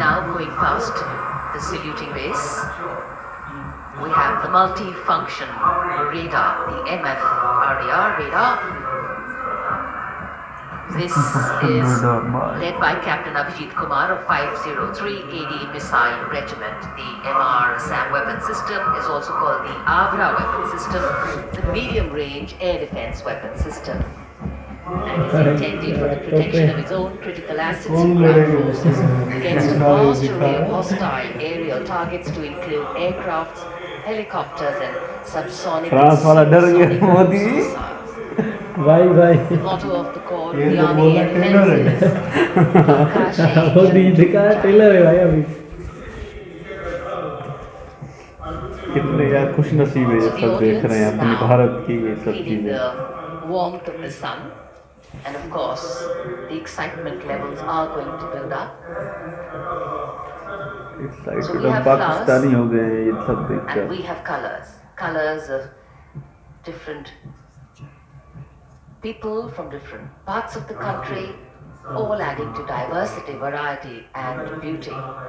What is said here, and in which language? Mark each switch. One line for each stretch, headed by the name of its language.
English: Now going past the saluting base we have the multi function radar the MF RDR radar This is led by Captain Abhijit Kumar of 503 AD Missile Regiment. The MR SAM weapon system is also called the Avra weapon system, the medium range air defense weapon system. And is intended for the protection of its own critical assets and ground forces against a vast array of hostile aerial targets to include aircrafts, helicopters and subsonic
Hindi: भाई भाई trailer है दिखाया trailer है भाई अभी कितने यार खुश नसीब है ये सब देख रहे हैं अपने भारत की ये सब चीजें
English: warmth of the sun and of course the excitement levels are going to build up
Hindi: excited हम पाकिस्तानी हो गए हैं ये सब देखकर
English: we have colours of different people from different parts of the country all adding to diversity variety and beauty